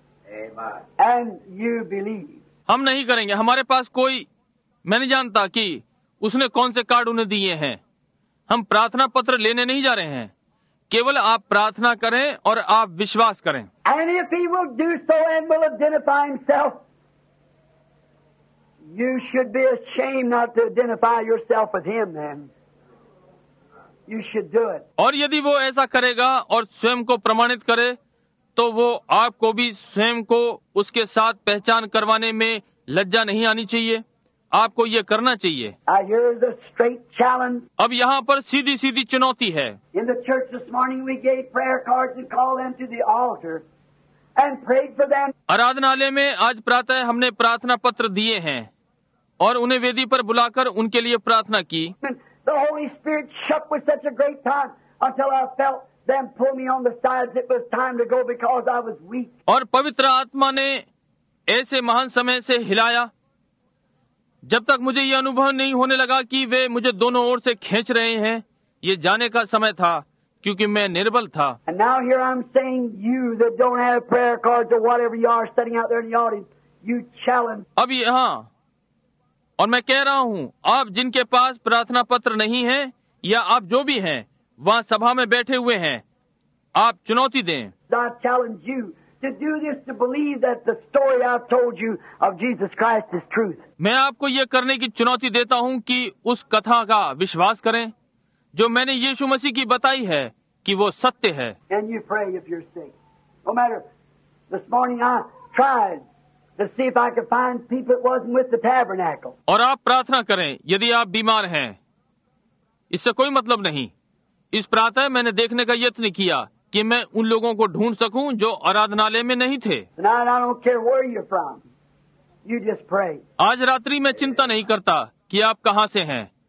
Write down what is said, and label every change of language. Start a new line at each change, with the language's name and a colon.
Hindi: हम नहीं करेंगे. हमारे पास कोई, मैं नहीं जानता कि उसने कौन से कार्ड उन्हें दिए हैं. हम प्रार्थना पत्र लेने नहीं जा रहे हैं. केवल आप प्रार्थना करें और आप विश्वास करें.
English: And if he will do so and will identify himself, you should be ashamed not to identify yourself with him then. You should do it.
Hindi: और यदि वो ऐसा करेगा और स्वयं को प्रमाणित करे तो वो आपको भी स्वयं को उसके साथ पहचान करवाने में लज्जा नहीं आनी चाहिए. आपको ये करना चाहिए.
English: I hear the straight challenge.
Hindi: अब यहाँ पर सीधी सीधी चुनौती है.
English: In the church this morning we gave prayer cards and called them to the altar and prayed for them.
Hindi: आराधनालय में आज प्रातः हमने प्रार्थना पत्र दिए हैं और उन्हें वेदी पर बुलाकर उनके लिए प्रार्थना की.
English: The Holy Spirit shook with such a great time until I felt them pull me on the sides. It was time to go because I was weak.
Hindi: और पवित्र आत्मा ने ऐसे महान समय से हिलाया जब तक मुझे ये अनुभव नहीं होने लगा कि वे मुझे दोनों ओर से खींच रहे हैं. ये जाने का समय था क्योंकि मैं निर्बल था.
English: And now here I'm saying you that don't have prayer cards or whatever you are studying out there in the audience, you challenge.
Hindi: अब यहाँ और मैं कह रहा हूँ, आप जिनके पास प्रार्थना पत्र नहीं है या आप जो भी हैं वहाँ सभा में बैठे हुए हैं, आप चुनौती दें.
English: I challenge you. To do this, to believe that the story I've told you of Jesus Christ is truth.
Hindi: मैं आपको ये करने की चुनौती देता हूँ कि उस कथा का विश्वास करें जो मैंने यीशु मसीह की बताई है कि वो सत्य है.
English: Can you pray if you're sick? No matter. This morning I tried to see if I could find people that wasn't with the tabernacle.
Hindi: और आप प्रार्थना करें यदि आप बीमार हैं. इससे कोई मतलब नहीं. इस प्रातः मैंने देखने का यत्न किया कि मैं उन लोगों को ढूंढ सकूं जो आराधनालय में नहीं थे. आज रात्रि मैं चिंता नहीं करता कि आप कहां से हैं.